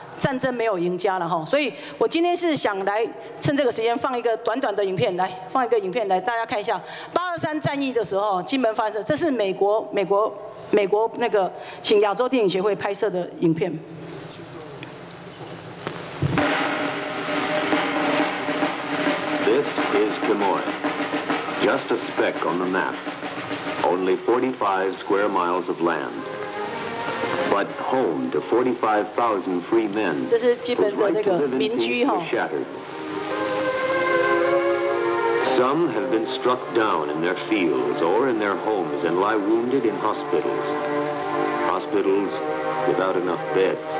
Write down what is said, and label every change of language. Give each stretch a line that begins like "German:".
Chinese: 战争没有赢家了哈，所以我今天是想来趁这个时间放一个短短的影片，来放一个影片来大家看一下八二三战役的时候金门发生，这是美国那个请亚洲电影协会拍摄的影片。
English: This is Des Moines, just a speck on the map, only 45 square miles of land. But home to 45,000 free men.
Chinese: 这是基本的那个民居哈。
English: Some have been struck down in their fields or in their homes and lie wounded in hospitals. Hospitals without enough beds.